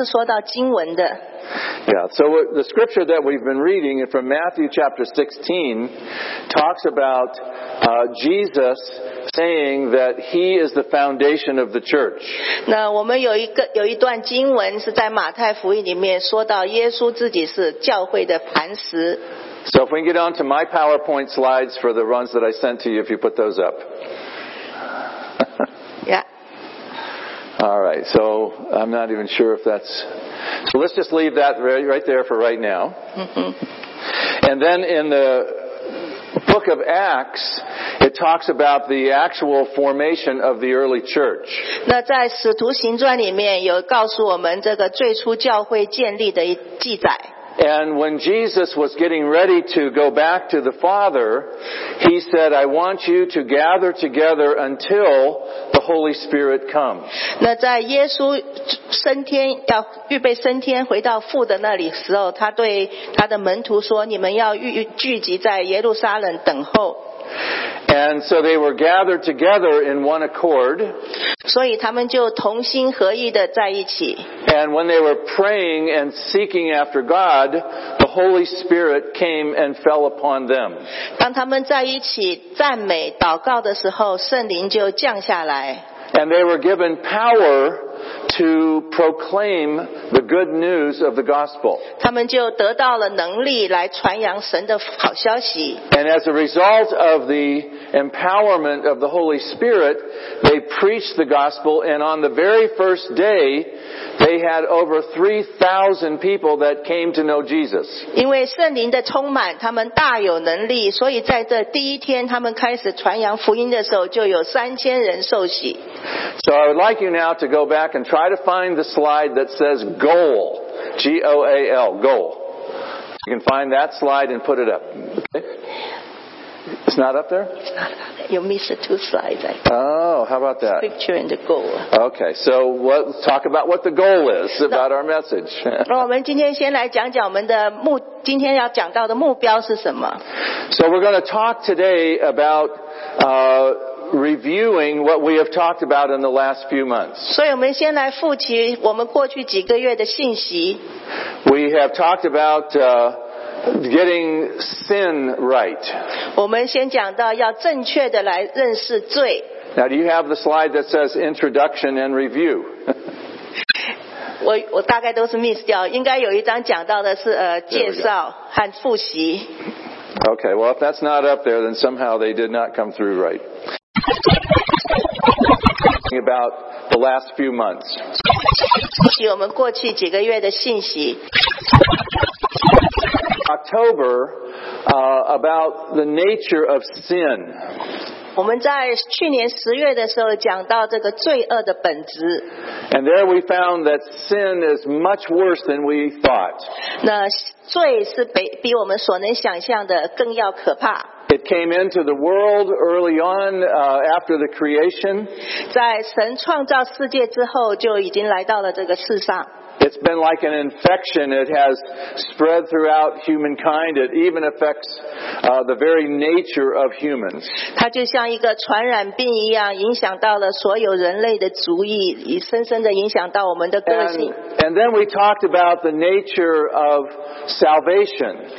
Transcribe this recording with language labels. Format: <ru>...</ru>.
<en>Yeah, so the scripture that we've been reading from Matthew chapter 16 talks about Jesus saying that he is the foundation of the church.</en> <zh>那我们有一段经文是在马太福音里面说到耶稣自己是教会的磐石。</zh> <en>So if we can get on to my PowerPoint slides for the ones that I sent to you, if you put those up. Alright, so I'm not even sure if that's... So let's just leave that right there for right now. Mm-hmm. And then in the book of Acts, it talks about the actual formation of the early church.</en> <zh>那在《使徒行传》里面有告诉我们这个最初教会建立的记载。</zh> <en>And when Jesus was getting ready to go back to the Father, he said, I want you to gather together until the Holy Spirit comes.</en> <zh>那在耶稣升天，要预备升天回到父的那里时候，他对他的门徒说，你们要聚集在耶路撒冷等候。</zh> <en>And so they were gathered together in one accord.</en> <zh>所以他们就同心合意地在一起。</zh> <en>And when they were praying and seeking after God, the Holy Spirit came and fell upon them.</en> <zh>当他们在一起赞美祷告的时候，圣灵就降下来。</zh> <en>And they were given power to proclaim the good news of the gospel.</en> <zh>他们就得到了能力来传扬神的好消息。</zh> <en>And as a result of the empowerment of the Holy Spirit, they preached the gospel, and on the very first day, they had over 3,000 people that came to know Jesus.</en> <zh>因为圣灵的充满，他们大有能力，所以在这第一天，他们开始传扬福音的时候，就有3,000人受洗。</zh> <en>So I would like you now to go back and try to find the slide that says goal, G-O-A-L, goal. You can find that slide and put it up. Okay. It's not up there? It's not up there. You missed two slides. Oh, how about that? Scripture and the goal. Okay, so what, talk about what the goal is about our message.</en> <zh>我们今天先来讲讲我们的目，今天要讲到的目标是什么。</zh> <en>So we're going to talk today about... reviewing what we have talked about in the last few months.</en> <zh>所以我们先来复习我们过去几个月的信息。</zh> <en>We have talked about getting sin right.</en> <zh>我们先讲到要正确的来认识罪。</zh> <en>Now, do you have the slide that says introduction and review?</en> <zh>我大概都是 miss 掉，应该有一张讲到的是介绍和复习。</zh> <en>Okay, well, if that's not up there, then somehow they did not come through right. About the last few months.</en> <zh>我们过去几个月的信息。</zh> <en>October about the nature of sin.</en> <zh>我们在去年十月的时候讲到这个罪恶的本质。</zh> <en>And there we found that sin is much worse than we thought.</en> <zh>那罪是比我们所能想象的更要可怕。</zh> <en>It came into the world early on, after the creation.</en> <zh>在神创造世界之后就已经来到了这个世上。</zh> <en>It's been like an infection. It has spread throughout humankind. It even affects the very nature of humans.</en> <zh>它就像一个传染病一样，影响到了所有人类的族裔，也深深地影响到我们的个性。</zh> <en>And then we talked about the nature of salvation.</en>